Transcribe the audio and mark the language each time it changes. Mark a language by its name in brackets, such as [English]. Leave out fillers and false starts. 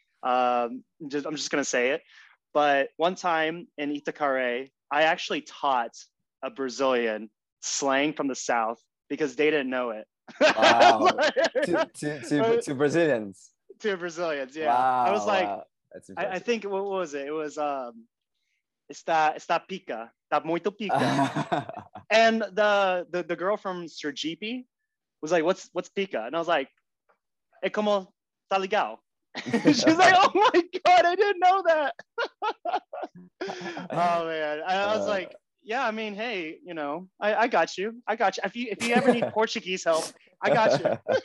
[English] I'm just going to say it. But one time in Itacaré, I actually taught a Brazilian slang from the South because they didn't know it. Wow. to Brazilians. To Brazilians, yeah. Wow, I was like, I think, what was it? It was, [Portuguese] está pica, está muito pica. [English] And the girl from Sergipe was like, what's pica? And I was like, [Portuguese] é como tá legal. [English] She's like, oh my god, I didn't know that. Oh man, I was like, yeah, I mean, hey, you know, I got you, I got you. If you ever need Portuguese help, I got you.